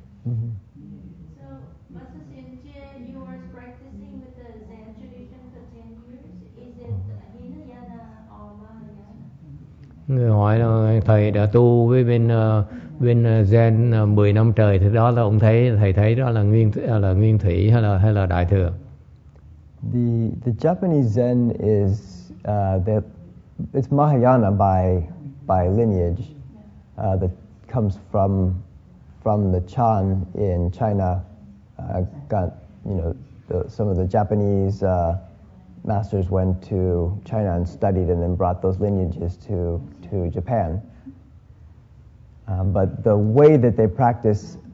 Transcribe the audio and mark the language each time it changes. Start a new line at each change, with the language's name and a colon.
English: So, Master Xianqie, you are practicing with the Zen tradition for 10 years. Is it Hinayana or Mahayana?
Vietnamese: Người hỏi là thầy đã tu với bên Zen 10 năm trời, thì đó là ông thấy, thầy thấy đó là nguyên thủy hay là đại thừa.
English: The Japanese Zen is it's Mahayana by lineage that comes from the Chan in China. Got, you know, some of the Japanese masters went to China and studied, and then brought those lineages to Japan. But the way that they practice